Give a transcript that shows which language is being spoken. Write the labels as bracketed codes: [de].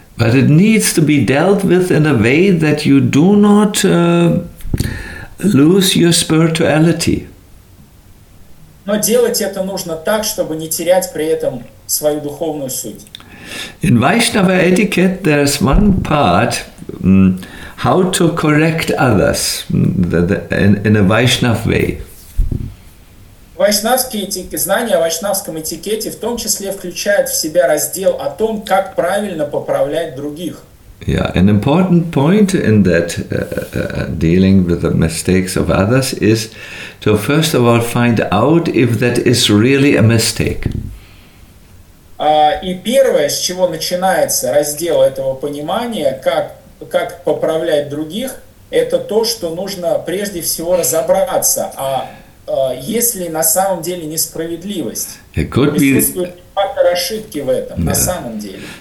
[en] But it needs to be dealt with in a way that you do not lose your spirituality. [ru] Но делать это нужно так, чтобы не терять при этом свою духовную суть. [en] In Vaishnava etiquette, there's one part, how to correct others in a Vaishnava way. [ru] Знания о вайшнавском этикете в том числе включают в себя раздел о том, как правильно поправлять других. [en] Yeah, an important point in that dealing with the mistakes of others is to first of all find out if that is really a mistake. [ru] И первое, с чего начинается раздел этого понимания, как поправлять других, это то, что нужно прежде всего разобраться, а есть ли на самом деле несправедливость. [en] It could be... [ru] Фактор ошибки в этом, yeah. На самом деле.